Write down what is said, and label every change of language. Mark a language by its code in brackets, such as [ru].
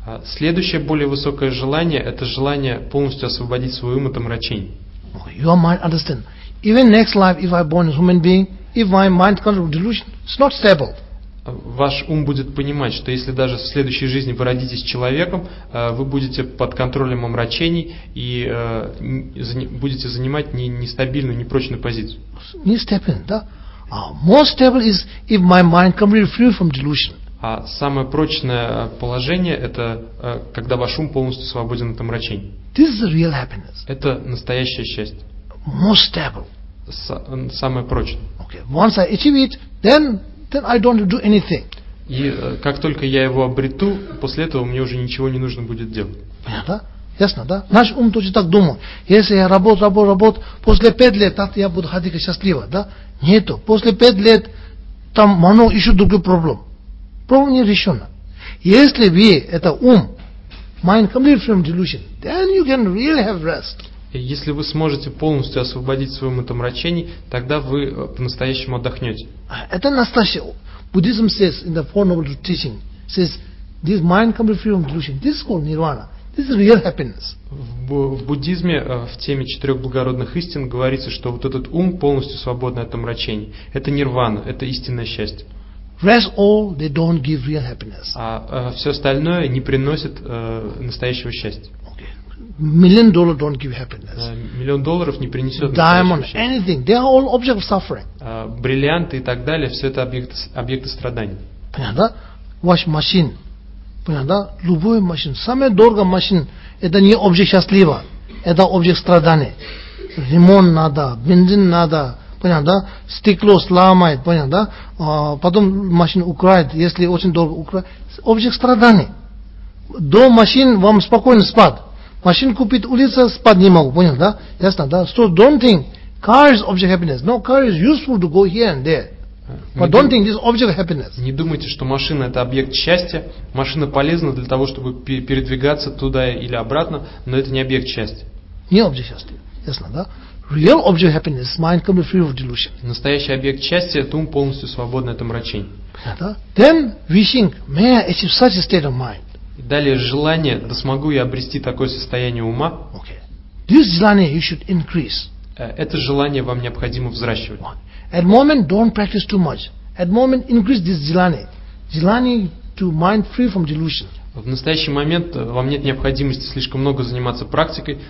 [ru] Следующее более высокое желание – это желание полностью освободить свой ум от омрачений. [en] Your mind understand. Even next life, if I born as human being, if my mind comes from delusion, it's not stable. [ru] Ваш ум будет понимать, что если даже в следующей жизни вы родитесь человеком, вы будете под контролем омрачений и будете занимать нестабильную, непрочную позицию. Нестабильно, да? [en] More stable is if my mind completely free from delusion. [ru] А самое прочное положение – это когда ваш ум полностью свободен от омрачений. [en] This is the real happiness. [ru] Это настоящее счастье. [en] Most stable. [ru] Самое прочное. [en] Okay. Once I achieve it, then I don't do anything. [ru] И как только я его обрету, после этого мне уже ничего не нужно будет делать. Понятно, да? Ясно, да? Наш ум точно так думает. Если я работаю, после 5 лет, так я буду ходить счастливо, да? Нету. После 5 лет там много еще других проблем. Проблема не решена. Если вы, это ум, [en] mind completely from delusion, then you can really have rest. [ru] Если вы сможете полностью освободить свой ум от омрачений, тогда вы по-настоящему отдохнете. Это настоящее. [en] Буддизм says in the Four Noble Teaching, says, this mind completely free from delusion, this is called nirvana. This is real happiness. [ru] В буддизме, в теме четырех благородных истин, говорится, что вот этот ум полностью свободный от омрачений. Это нирвана, это истинное счастье. [en] Rest all, they don't give real happiness. [ru] Все остальное не приносит настоящего счастья. [en] Million dollar don't give happiness. [ru] Миллион долларов не принесет. [en] Diamond, anything, they are all objects of suffering. [ru] Бриллианты и так далее, все это объекты страданий. Понятно, да? Ваш машин, понятно, да? Любой машин, самая дорогая машин, это не объект счастлива, это объект страданий. Ремонт надо, бензин надо, понятно, да? Стекло сломает, понятно, да? Потом машину украдет, если очень дорого украдет, объект страданий. До машин вам спокойно спать. Машин купить, улица спать не могу, понял, да? Ясно, да? [en] So don't think car is object happiness. No, car is useful to go here and there. But don't think this object happiness. [ru] Не думайте, что машина это объект счастья. Машина полезна для того, чтобы передвигаться туда или обратно, но это не объект счастья. Не объект счастья. Ясно, да? [en] Real object happiness is mind completely free of delusion. [ru] Настоящий объект счастья это ум полностью свободный от омрачений. Понятно, да? [en] Then we think, may I achieve such a state of mind? [ru] Далее желание, да смогу я обрести такое состояние ума. [en] Okay. This желание you should increase. [ru] это желание вам необходимо взращивать. [en] At moment don't practice too much. At moment increase this jilani. Jilani to mind free from delusion. [ru] В настоящий момент вам нет необходимости слишком много заниматься практикой.